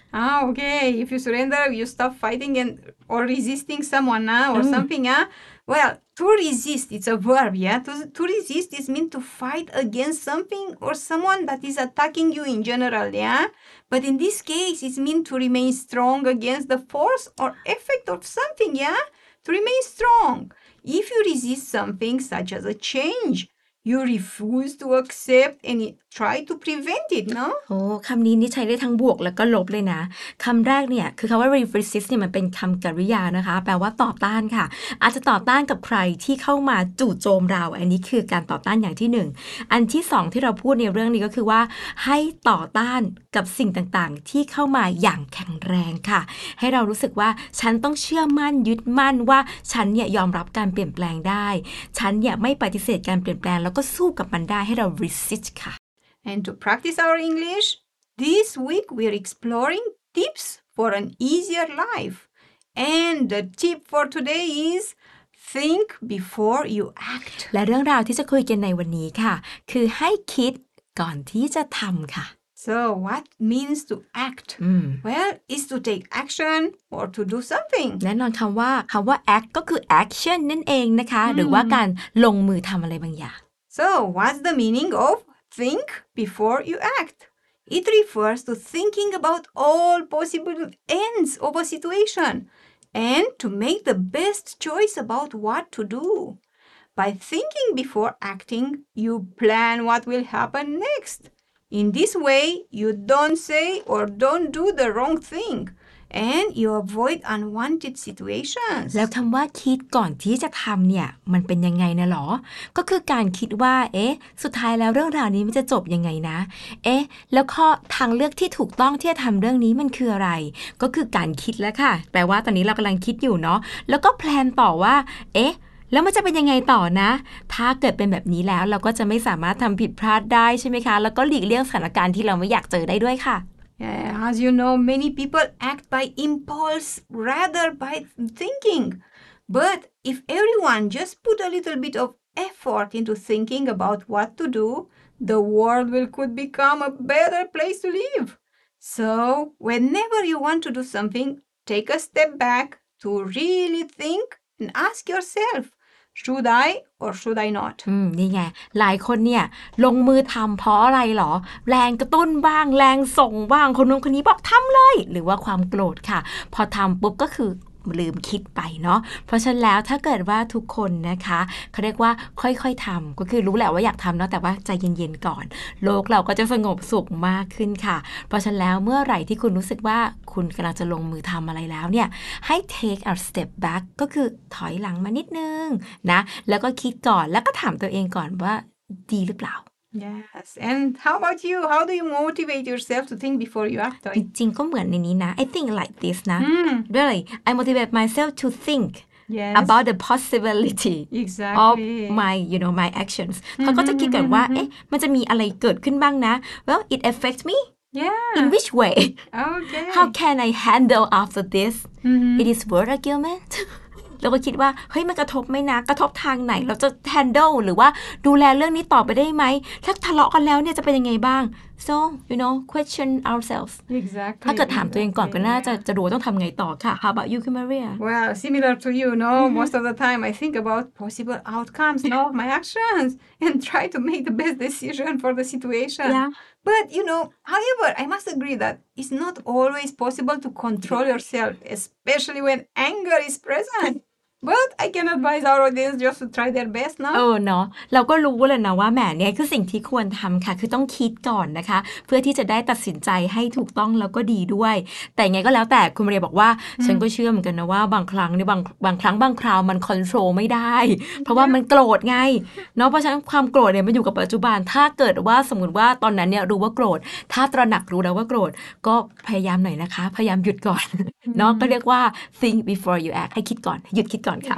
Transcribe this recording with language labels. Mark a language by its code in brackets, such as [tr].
[en] โอเค if you surrender you stop fighting and or resisting someone or something well to resist it's a verb to resist is mean to fight against something or someone that is attacking you in general but in this case it's mean to remain strong against the force or effect of something to remain strong if you resist something such as a changeYou refuse to accept and try to prevent it, no? [th] โอ้คำนี้นี่ใช้ได้ทั้งบวกแล้วก็ลบเลยนะคำแรกเนี่ยคือคำว่า resist เนี่ยมันเป็นคำกริยานะคะแปลว่าต่อต้านค่ะอาจจะต่อต้านกับใครที่เข้ามาจู่โจมเราอันนี้คือการต่อต้านอย่างที่หนึ่งอันที่สองที่เราพูดในเรื่องนี้ก็คือว่าให้ต่อต้านกับสิ่งต่างๆที่เข้ามาอย่างแข็งแรงค่ะให้เรารู้สึกว่าฉันต้องเชื่อมั่นยึดมั่นว่าฉันเนี่ยยอมรับการเปลี่ยนแปลงได้ฉันเนี่ยไม่ปฏิเสธการเปลี่ยนแปลงแล้วก็สู้กับมันได้ให้เรา resist ค่ะ [en] And to practice our English, this week we're exploring tips for an easier life. And the tip for today is think before you act. [th] และเรื่องราวที่จะคุยกันในวันนี้ค่ะคือให้คิดก่อนที่จะทำค่ะ [en] So what means to act? Well, is to take action or to do something. แน่นอนคำว่า act ก็คือ action นั่นเองนะคะหรือว่าการลงมือทำอะไรบางอย่าง So what's the meaning ofThink before you act. It refers to thinking about all possible ends of a situation and to make the best choice about what to do. By thinking before acting, you plan what will happen next. In this way, you don't say or don't do the wrong thing. And you avoid unwanted situations. [th] แล้วคำว่าคิดก่อนที่จะทำเนี่ยมันเป็นยังไงนะหรอก็คือการคิดว่าเอ๊ะสุดท้ายแล้วเรื่องราวนี้มันจะจบยังไงนะเอ๊ะแล้วข้อทางเลือกที่ถูกต้องที่จะทำเรื่องนี้มันคืออะไรก็คือการคิดแล้วค่ะแปลว่าตอนนี้เรากำลังคิดอยู่เนาะแล้วก็แพลนต่อว่าเอ๊ะแล้วมันจะเป็นยังไงต่อนะถ้าเกิดเป็นแบบนี้แล้วเราก็จะไม่สามารถทำผิดพลาดได้ใช่ไหมคะแล้วก็หลีกเลี่ยงสถานการณ์ที่เราไม่อยากเจอได้ด้วยค่ะ [en] Yeah, as you know, many people act by impulse rather by thinking. But if everyone just put a little bit of effort into thinking about what to do, the world could become a better place to live. So, whenever you want to do something, take a step back to really think and ask yourself, should I or should I not? [th] นี่ไงหลายคนเนี่ยลงมือทำเพราะอะไรหรอแรงกระตุ้นบ้างแรงส่งบ้างคนนู้นคนนี้บอกทำเลยหรือว่าความโกรธค่ะพอทำปุ๊บก็คือ ลืมคิดไปเนาะเพราะฉะนั้นแล้วถ้าเกิดว่าทุกคนนะคะเขาเรียกว่าค่อยๆทำก็คือรู้แหละว่าอยากทำเนาะแต่ว่าใจเย็นๆก่อนโลกเราก็จะสงบสุขมากขึ้นค่ะเพราะฉะนั้นแล้วเมื่อไหร่ที่คุณรู้สึกว่าคุณกำลังจะลงมือทำอะไรแล้วเนี่ยให้ [en] take a step back [th] ก็คือถอยหลังมานิดนึงนะแล้วก็คิดก่อนแล้วก็ถามตัวเองก่อนว่าดีหรือเปล่า [en] Yes and how about you how do you motivate yourself to think before you act [th] จริงๆก็เหมือนในนี้นะ [en] I think like this [th] นะ [en] Really I motivate myself to think Yes. About the possibility exactly. of my, you know, my actions. [th] เขาก็จะคิดกันว่าเอ๊ะมันจะมีอะไรเกิดขึ้นบ้างนะ [en] Well, it affects me. Yeah. In which way? Okay. How can I handle after this? Mm-hmm. It is worth argument. [th] เราก็คิดว่าเฮ้ยมันกระทบไหมนะกระทบทางไหนเราจะ handle หรือว่าดูแลเรื่องนี้ต่อไปได้ไหมถ้าทะเลาะกันแล้วเนี่ยจะเป็นยังไงบ้าง [en] So you know question ourselves exactly [th] ถ้าเกิดถามตัวเองก่อนก็น่าจะรู้ต้องทำไงต่อค่ะ [en] How about you Maria Well similar to you no most of the time I think about possible outcomes no my actions and try to make the best decision for the situation yeah but you know however I must agree that it's not always possible to control yourself especially when anger is present But I can advise our audience just to try their best, no? [th] เออเนาะเราก็รู้แล้วนะว่าแหมเนี่ยคือสิ่งที่ควรทำค่ะคือต้องคิดก่อนนะคะเพื่อที่จะได้ตัดสินใจให้ถูกต้องแล้วก็ดีด้วยแต่ไงก็แล้วแต่คุณเรียบอกว่าฉันก็เชื่อเหมือนกันนะว่าบางครั้งเนี่ยบางคราวมันคอนโทรลไม่ได้เพราะว่ามันโกรธไงเนาะเพราะฉะนั้นความโกรธเนี่ยมันอยู่กับปัจจุบันถ้าเกิดว่าสมมติว่าตอนนั้นเนี่ยรู้ว่าโกรธถ้าตระหนักรู้แล้วว่าโกรธก็พยายามหน่อยนะคะพยายามหยุดก่อนเนาะก็เรียกว่า [en] think before you act [th] ให้คิดก่อนหยุดคิดก่อนค่ะ